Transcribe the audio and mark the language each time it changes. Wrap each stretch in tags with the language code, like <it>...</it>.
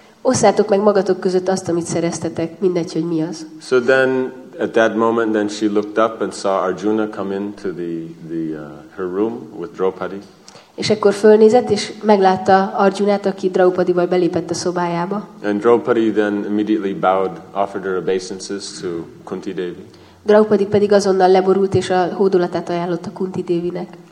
<hu>Osszátok meg magatok között azt, amit szereztetek, mindegy, hogy mi az.</hu> <en>So then at that moment then she looked up and saw Arjuna come into her room with Draupadi.</en> <hu>És ekkor fölnézett és meglátta Arjunát, aki Draupadival belépett a szobájába.</hu> <en>And Draupadi then immediately bowed, offered her obeisances to Kunti Devi.</en> <hu>Draupadi pedig azonnal leborult és a hódolatát ajánlotta Kunti Devinek.</hu>